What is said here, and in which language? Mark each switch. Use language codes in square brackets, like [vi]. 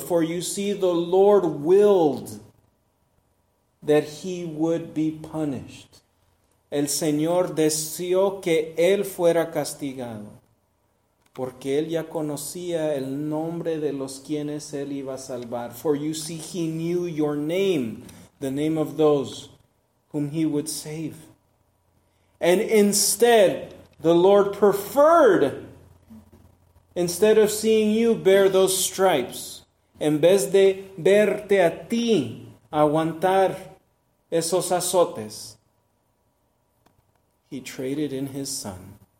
[en] For you see, the Lord willed that he would be punished. [es] El Señor deseó que él fuera castigado, porque él ya conocía el nombre de los quienes él iba a salvar. [en] For you see, he knew your name, the name of those whom he would save. And instead, the Lord preferred, instead of seeing you bear those stripes, [es] en vez de verte a ti aguantar esos azotes, [en] he traded in his son.